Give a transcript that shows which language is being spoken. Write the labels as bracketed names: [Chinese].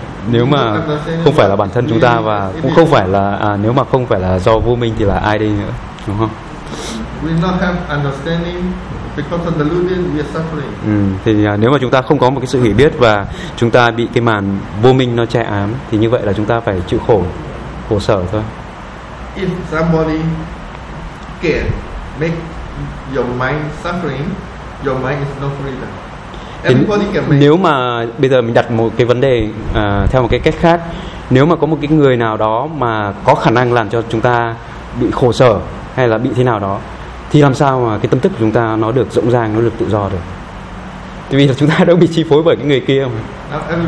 [Vietnamese] Nếu mà không phải là bản thân chúng ta, và cũng không phải là nếu mà không phải là do vô minh thì là ai đi nữa, đúng không? [English] We not have understanding because of delusion we are suffering. [Vietnamese] Thì nếu mà chúng ta không có một cái sự hiểu biết và chúng ta bị cái màn vô minh nó che ám thì như vậy là chúng ta phải chịu khổ sở thôi. [English] If somebody can make your mind suffering, your mind is not freedom. [Vietnamese] Nếu mà bây giờ mình đặt một cái vấn đề theo một cái cách khác, nếu mà có một cái người nào đó mà có khả năng làm cho chúng ta bị khổ sở hay là bị thế nào đó, thì làm sao mà cái tâm thức của chúng ta nó được rộng ràng, nó được tự do được? Tại vì là chúng ta đâu bị chi phối bởi cái người kia mà.